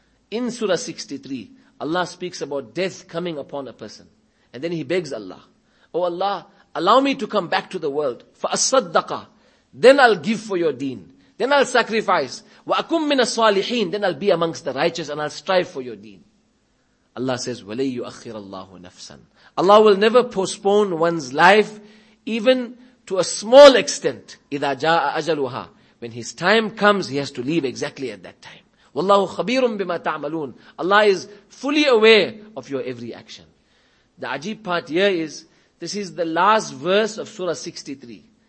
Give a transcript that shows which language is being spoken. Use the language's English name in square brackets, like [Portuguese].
[English] In Surah 63, Allah speaks about death coming upon a person. And then he begs Allah, oh Allah, allow me to come back to the world. فَأَصَّدَّقَ Then I'll give for your deen. Then I'll sacrifice. [Arabic] Wa akum min as-salihin. [English] Then I'll be amongst the righteous and I'll strive for your deen. Allah says, [Arabic] وَلَيْ يُؤَخِّرَ اللَّهُ نَفْسًا. [English] Allah will never postpone one's life, even to a small extent. [Arabic] إِذَا جَاءَ أَجَلُهَا. [English] When his time comes, he has to leave exactly at that time. [Arabic] وَاللَّهُ خَبِيرٌ بِمَا تَعْمَلُونَ. [English] Allah is fully aware of your every action. The ajeeb part here is, this is the last verse of Surah 63.